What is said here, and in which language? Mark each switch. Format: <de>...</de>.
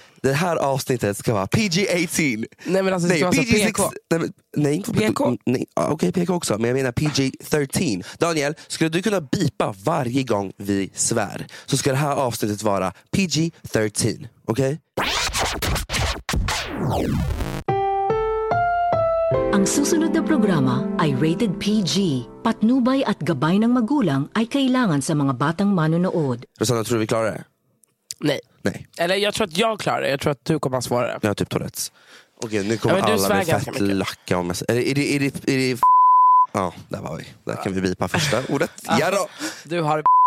<sv>Det här avsnittet ska vara PG-18. Nej, men alltså det ska vara PG-6. PK. Okej, PK också. Men jag menar PG-13. Daniel, skulle du kunna bipa varje gång vi svär? Så ska det här avsnittet vara PG-13. Okej?</sv> <en>Okay?</en> <tl>Ang susunod na programa ay rated PG. Patnubay at gabay ng magulang ay kailangan sa mga batang manunood.</tl> <sv>Rosanna, tror du vi klarar det? Nej. Eller jag tror att jag klarar det. Jag tror att du kommer att svara det. Jag har typ Tourette's. Okej, okay, nu kommer ja, alla bli fett lacka om. Är det f***? Ja, ah, där var vi. Där kan vi bipa första ordet. Ja då. Du har f***.</sv>